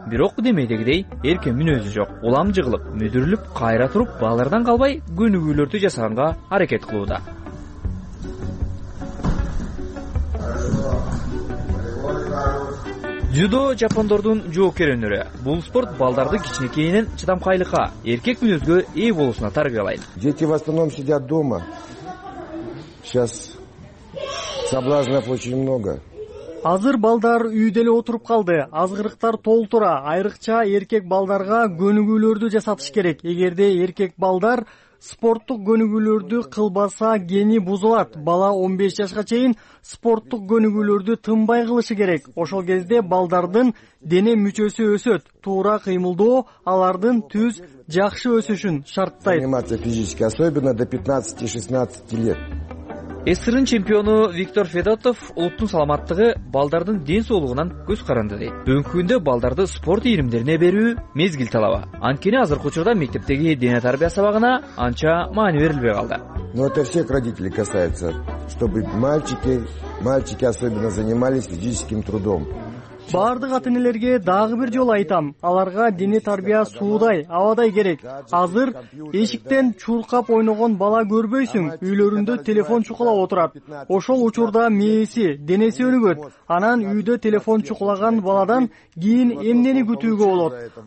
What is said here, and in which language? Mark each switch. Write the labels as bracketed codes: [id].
[ky] Бирок демейдегидей эркин мүнөзү жок. Улам жыгылып, мүдүрүлүп, кайра туруп, балдардан калбай көнүгүүлөрдү жасаганга аракет кылууда. Дзюдо жапондордун жоокер өнөрү. Бул спорт балдарды кичинекейинен чыдамкайлыкка, эркек мүнөзгө ээ болуусуна тарбиялайт. [ru] Дети в основном сидят дома. Сейчас соблазнов очень много. [ky] Азыр балдар үйдө эле отуруп калды. Азгырыктар толтура. Айрыкча эркек балдарга көнүгүүлөрдү жасатыш керек. Эгерде эркек балдар спорттук көнүгүүлөрдү кылбаса, гени бузулат. Бала 15 жашка чейин спорттук көнүгүүлөрдү тынбай кылышы керек. Ошол кезде балдардын дене мүчөсү өсөт. Туура кыймылдоо алардын түз жакшы өсүшүн шарттайт. [ru] Заниматься физически, особенно до 15-16 лет. [ky] СССР'ın чемпиону Виктор Федотов улуттун саламаттыгы балдардын ден соолугунан көз каранды дейт. Бүгүнкү күндө балдарды спорт ийримдерине берүү мезгил талабы. Анткени азыркы учурда мектептеги дене тарбия сабагына анча маани берилбей калды. [ru] Но это всех родителей касается, чтобы мальчики особенно занимались физическим трудом. [ky] Бардык ата-энелерге дагы бир жолу айтам, аларга дене тарбия суудай, абадай керек. Азыр эшиктен чуркап ойногон бала көрбөйсүң, үйлөрүндө телефон чукулап отурат. Ошол учурда мээси, денеси өнүгөт. Анан үйдө телефон чукулаган баладан кийин эмнени күтүүгө болот?